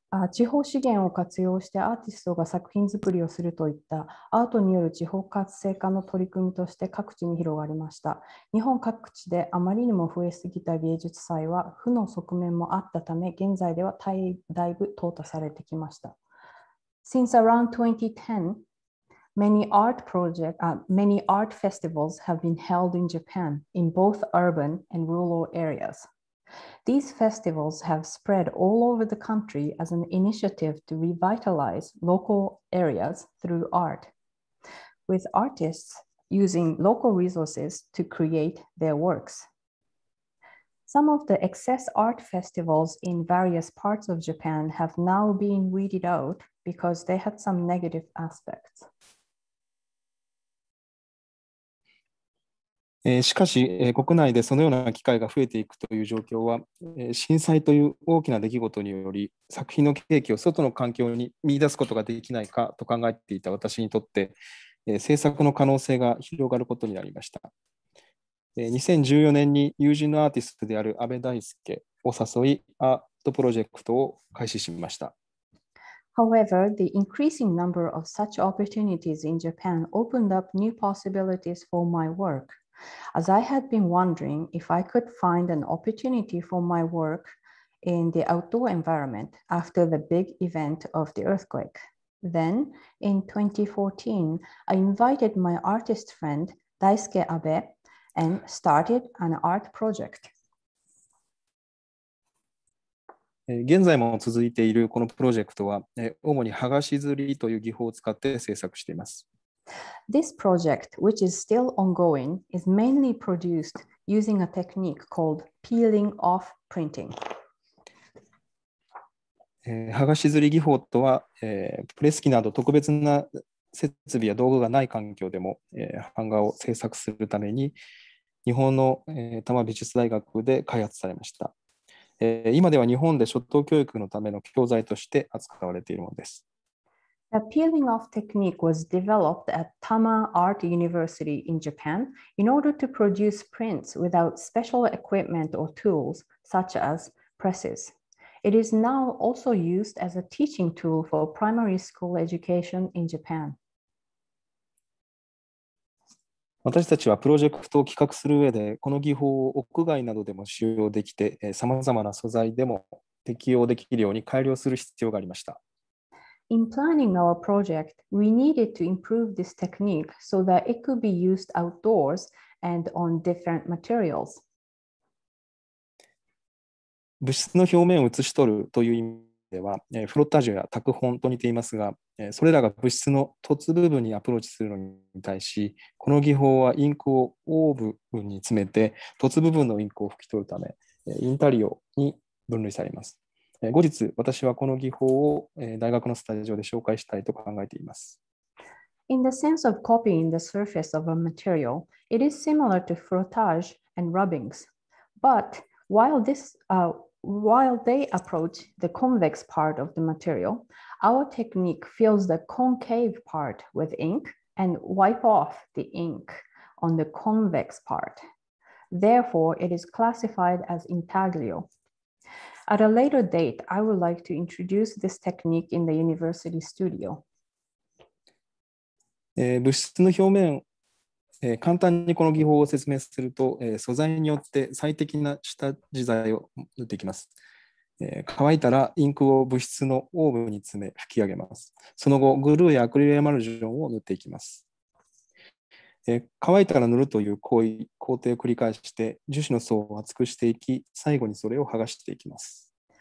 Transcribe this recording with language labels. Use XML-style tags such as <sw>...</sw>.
<ja>地方資源を活用してアーティストが作品作りをするといったアートによる地方活性化の取り組みとして各地に広がりました。日本各地であまりにも増えすぎた芸術祭は負の側面もあったため、現在ではだいぶ淘汰されてきました。</ja> <en>Since around 2010, many art festivals have been held in Japan in both urban and rural areas. These festivals have spread all over the country as an initiative to revitalize local areas through art, with artists using local resources to create their works. Some of the excess art festivals in various parts of Japan have now been weeded out because they had some negative aspects.</en> <ja>しかし、国内でそのような機会が増えていくという状況は、震災という大きな出来事により作品の契機を外の環境に見出すことができないかと考えていた私にとって、制作の可能性が広がることになりました。 2014年に友人のアーティストである阿部大輔を誘い、アートプロジェクトを開始しました。</ja> <en>However, the increasing number of such opportunities in Japan opened up new possibilities for my workAs I had been wondering if I could find an opportunity for my work in the outdoor environment after the big event of the earthquake. Then, in 2014, I invited my artist friend, Daisuke Abe, and started an art project.</en> <ja>現在も続いているこのプロジェクトは、主に剥がし刷りという技法を使って制作しています。</ja> <en>This project, which is still ongoing, is mainly produced using a technique called peeling off printing.</en> <ja>剥がし刷り技法とは、プレス機など特別な設備や道具がない環境でも、版画を制作するために日本の、多摩美術大学で開発されました。今では日本で初等教育のための教材として扱われているものです。</ja> <en>The peeling off technique was developed at Tama Art University in Japan in order to produce prints without special equipment or tools such as presses. It is now also used as a teaching tool for primary school education in Japan.</en> <ja>私たちはプロジェクトを企画する上で、この技法を屋外などでも使用できて、さまざまな素材でも適用できるように改良する必要がありました。</ja> <en>In planning our project, we needed to improve this technique so that it could be used outdoors and on different materials.</en> <ja>物質の表面を写し取るという意味では、フロッタージュや拓本と似ていますが、それらが物質の凸部分にアプローチするのに対し、この技法はインクをオーブに詰めて、凸部分のインクを拭き取るため、インタリオに分類されます。後日、私はこの技法を大学のスタジオで紹介したいと考えています。</ja> <en>In the sense of copying the surface of a material, it is similar to frottage and rubbings. But while they approach the convex part of the material, our technique fills the concave part with ink and wipe off the ink on the convex part. Therefore, it is classified as intaglio. At a later date, I would like to introduce this technique in the university studio.</en> <ja>物質の表面、簡単にこの技法を説明すると、素材によって最適な下地材を塗っていきます。乾いたらインクを物質のオーブに詰め吹き上げます。その後、グルーやアクリルエマルジョンを塗っていきます。乾いたら塗るという工程を繰り返して樹脂の層を厚くしていき、最後にそれを剥がしていきます。</ja>